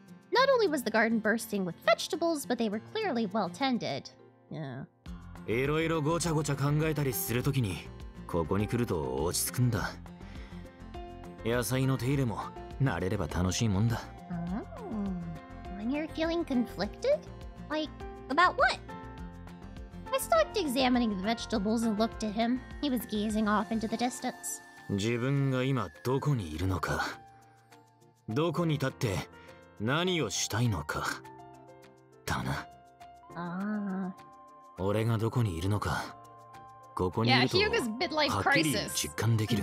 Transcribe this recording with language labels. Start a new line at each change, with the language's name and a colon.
English: Not only was the garden bursting with vegetables, but they were clearly well tended. Yeah.
Japanese: いろいろごちゃごちゃ考えたりするときに、ここに来ると落ち着くんだ。野菜の手入れも慣れれば楽しいもんだ。
English: Oh, when you're feeling conflicted? Like, about what? I stopped examining the vegetables and looked at him. He was gazing off into the distance.
Japanese: 自分が今どこにいるのか、どこに立って何をしたいのかだな。ああ。俺がどこにいるのか、ここにいると、はっきり実感できる。